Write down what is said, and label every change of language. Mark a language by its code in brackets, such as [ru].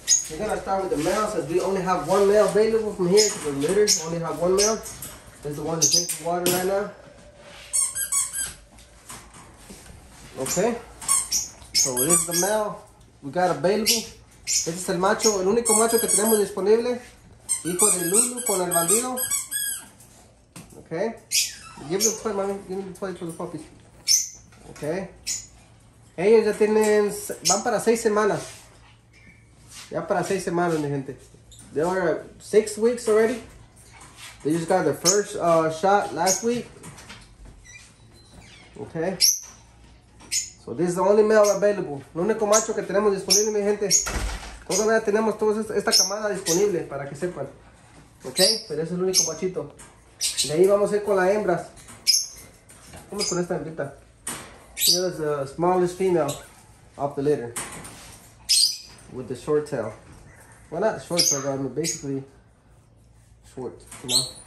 [en] We're gonna start with the male since we only have one male available from here to the litter. Only have one male. This is the one that drinks the water right now. Okay, so this is the male we got available. [es] Este es el macho, el único macho que tenemos disponible. Hijo de Lulu con el bandido. [en] Okay, give me the toy, mommy. Give me the toy for the puppies. [es] Okay, ellos ya tienen, van para 6 semanas. Ya para 6 semanas, mi gente. [en] They are 6 weeks already. They just got their first shot last week. Okay. So this is the only male available. [es] El único macho que tenemos disponible, mi gente. Todavía tenemos toda esta camada disponible, para que sepan. Ok, pero ese es el único machito. De ahí vamos a ir con las hembras. Vamos con esta hembrita. [en] She is the smallest female of the litter. With the short tail. Well, not short tail, but I mean basically short, you know.